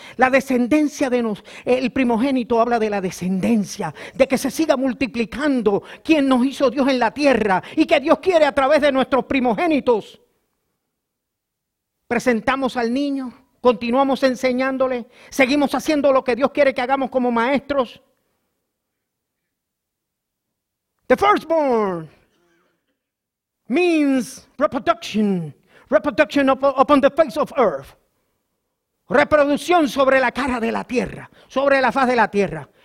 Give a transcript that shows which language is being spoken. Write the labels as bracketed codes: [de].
[es] La descendencia de nos, el primogénito habla de la descendencia, de que se siga multiplicando quien nos hizo Dios en la tierra, y que Dios quiere a través de nuestros primogénitos. Presentamos al niño, continuamos enseñándole, seguimos haciendo lo que Dios quiere que hagamos como maestros. [en] The firstborn means reproduction. Reproduction upon the face of earth. [es] Reproducción sobre la cara de la tierra, sobre la faz de la tierra.